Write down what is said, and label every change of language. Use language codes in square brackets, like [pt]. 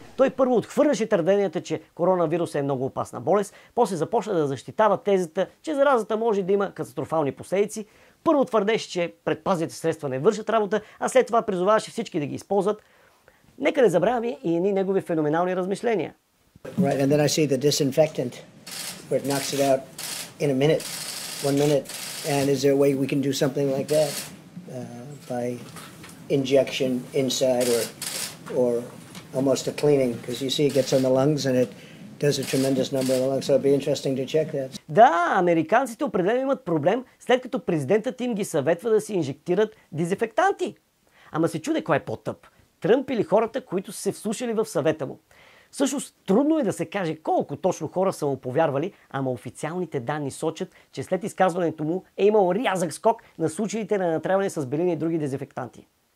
[bg] Той първо отхвърляше твърденията, че коронавирусът е много опасна болест, после започна да защитава тезата, че заразата може да има катастрофални последици, първо твърдеше, че предпазните средства не вършат работа, а след това призоваваше всички да ги използват. Нека не забравяме и едни негови феноменални размишления. [en] Right, and then I see the disinfectant where it knocks it out in a minute, one minute, and is there a way we can do something like that by injection inside or almost a cleaning, because you see it gets on the lungs and it does a tremendous number of the lungs, so it'd be interesting to check that. [bg] Да, американците определено имат проблем, след като президентът им ги съветва да си инжектират дезинфектанти. Ама се чуде кой е по-тъп. Тръмп или хората, които са се вслушали в съвета му. Всъщност, трудно е да се каже колко точно хора са му повярвали, ама официалните данни сочат, че след изказването му е имал рязък скок на случаите на натряване с белини и други дезинфектанти.